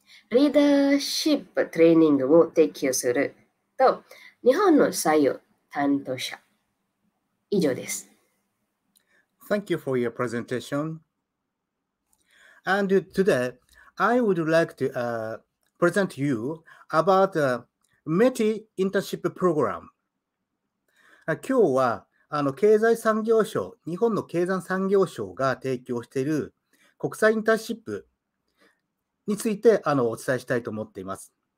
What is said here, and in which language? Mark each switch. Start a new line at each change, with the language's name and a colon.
Japanese: リーダーシップ training を提供すると日本の採用担当者以上です。
English: Thank you for your presentation. And today, I would like to present you about the METI internship program.
Japanese: 今日は日本の経済産業省が提供している国際インターンシップ について お伝えしたいと思っています。